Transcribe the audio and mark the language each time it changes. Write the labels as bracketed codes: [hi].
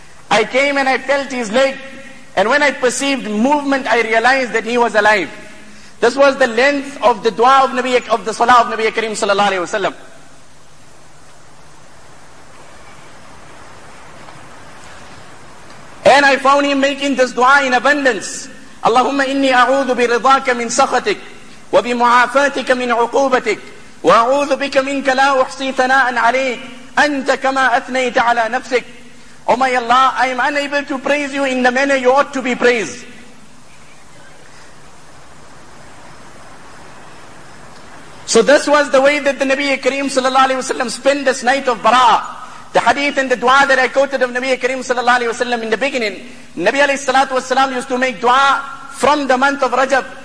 [en] I came and I felt his leg, and when I perceived movement, I realized that he was alive. This was the length of the dua of Nabi, of the salah of Nabi Kareem sallallahu alayhi wa sallam. And I found him making this dua in abundance. [ar] اللهم إني أعوذ برضاك من سخطك وبمعافاتك من عقوبتك وأعوذ بك منك لا أحصي ثناء عليك أنت كما أثنيت على نفسك. [en] Oh my Allah, I am unable to praise you in the manner you ought to be praised. So this was the way that the Nabi Kareem sallallahu alayhi wa sallam spent this night of Bara. The hadith and the dua that I quoted of Nabi Kareem sallallahu alayhi wa sallam in the beginning, Nabi alayhi salatu wa sallam used to make dua from the month of Rajab.